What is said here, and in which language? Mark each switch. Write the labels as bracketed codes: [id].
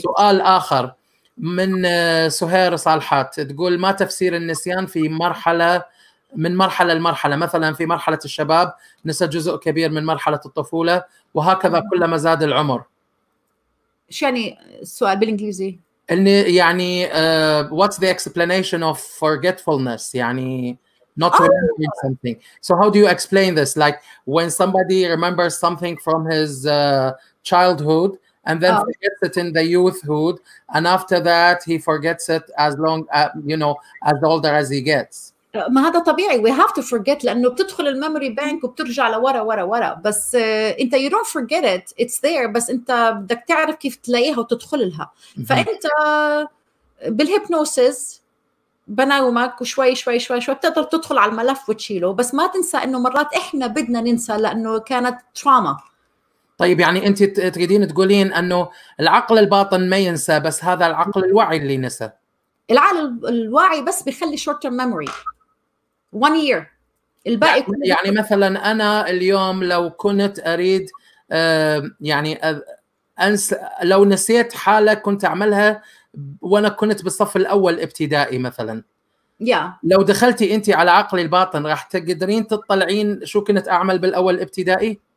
[ar] سؤال اخر من سهير صالحات تقول ما تفسير النسيان في مرحله من مرحلة لمرحلة مثلاً في مرحلة الشباب نسى جزء كبير من مرحلة الطفولة وهكذا كلما زاد العمر شو يعني السؤال بالإنجليزي؟ يعني [en] what's the explanation of forgetfulness يعني not remembering something so how do you explain this like when somebody remembers something from his childhood and then forgets it in the youthhood and after that he forgets it as long you know as older as he gets [ar] ما هذا طبيعي [en] we have to forget [ar] لأنه بتدخل الميموري بانك وبترجع لورا ورا ورا بس أنت [en] you don't forget it it's there [ar] بس أنت بدك تعرف كيف تلاقيها وتدخل لها فأنت بالهيبنوسيس بناومك وشوي شوي شوي شوي بتقدر تدخل على الملف وتشيله بس ما تنسى أنه مرات إحنا بدنا ننسى لأنه كانت تراما طيب يعني أنت تريدين تقولين أنه العقل الباطن ما ينسى بس هذا العقل الواعي اللي نسى العقل الواعي بس بيخلي [en] short term memory One year. [ar] الباقي يعني مثلا أنا اليوم لو كنت أريد يعني أنسى لو نسيت حالة كنت أعملها وأنا كنت بالصف الأول ابتدائي مثلا لو دخلتي أنت على عقلي الباطن راح تقدرين تطلعين شو كنت أعمل بالأول ابتدائي